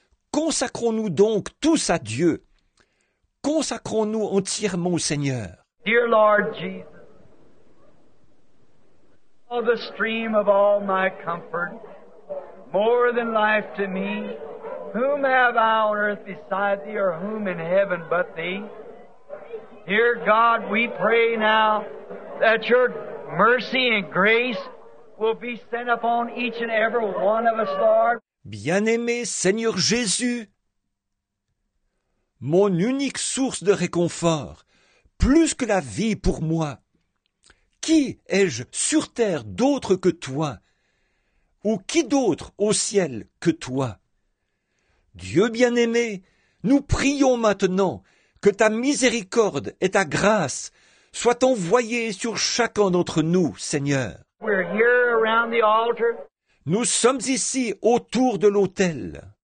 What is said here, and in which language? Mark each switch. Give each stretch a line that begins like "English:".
French: Consacrons-nous donc tous à Dieu. Consacrons-nous entièrement au Seigneur.
English: Dear Lord Jesus, all the stream of all my comfort, more than life to me, whom have I on earth beside thee, or whom in heaven but thee? Dear God, we pray now that your mercy and grace will be sent upon each and every one of us, Lord.
French: Bien-aimé Seigneur Jésus, mon unique source de réconfort, plus que la vie pour moi, qui ai-je sur terre d'autre que toi, ou qui d'autre au ciel que toi? Dieu bien-aimé, nous prions maintenant que ta miséricorde et ta grâce soient envoyées sur chacun d'entre nous, Seigneur.
English: We're here around the altar.
French: Nous sommes ici autour de l'autel.